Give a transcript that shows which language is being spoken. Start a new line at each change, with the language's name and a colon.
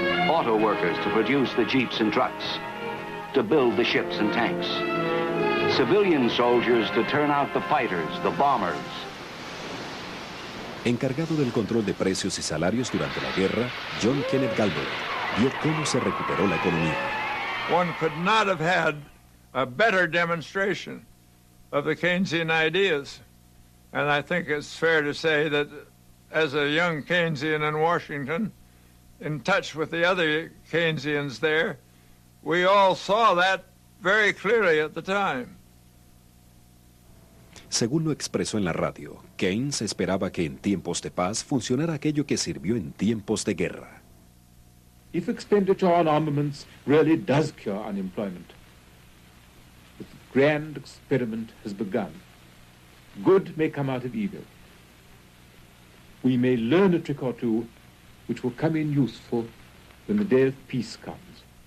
English: Auto workers to produce the jeeps and trucks. To build the ships and tanks. Civilian soldiers to turn out the fighters, the bombers.
Spanish: Encargado del control de precios y salarios durante la guerra, John Kenneth Galbraith vio cómo se recuperó la economía.
English: One could not have had a better demonstration of the Keynesian ideas. And I think it's fair to say that as a young Keynesian in Washington, in touch with the other Keynesians there, we all saw that very clearly at the time.
Spanish: Según lo expresó en la radio, Keynes esperaba que en tiempos de paz funcionara aquello que sirvió en tiempos de guerra.
English: If expenditure on armaments really does cure unemployment, the grand experiment has begun. Good may come out of evil. We may learn a trick or two which will come in useful when the day of peace comes.